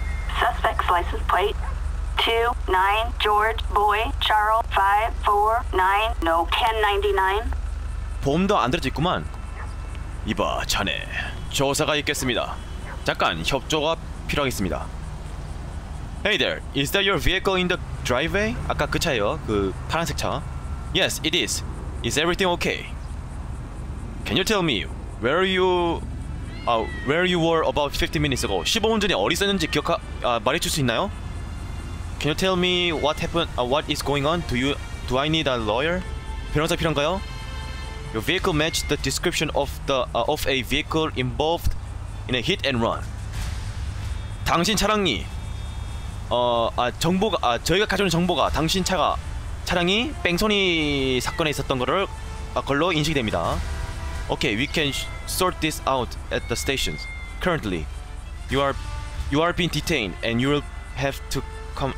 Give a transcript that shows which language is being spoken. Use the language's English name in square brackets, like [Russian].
[English] Suspect's license plate 29 George Boy Charles 549 No 1099. [Korean] 보험도 안 들어져 있구만. 이봐 자네, 조사가 있겠습니다. 잠깐 협조가 필요하겠습니다. [English] Hey there, is that your vehicle in the driveway? [Korean] 아까 그 차예요, 그 파란색 차. [English] Yes, it is. Is everything okay? Can you tell me where are you? Where you were about 15 minutes ago? [Korean] 15분 전에 어디 있었는지 말해줄 수 있나요? [English] Can you tell me what happened? What is going on? Do I need a lawyer? [Korean] 변호사 필요한가요? [English] Your vehicle matched the description of the of a vehicle involved in a hit and run. [Korean] 당신 차량이 저희가 가져온 정보가 당신 차량이 뺑소니 사건에 있었던 거를 걸로 인식이 됩니다. [English] Okay, we can sort this out at the stations. Currently, you are being detained and you will have to come.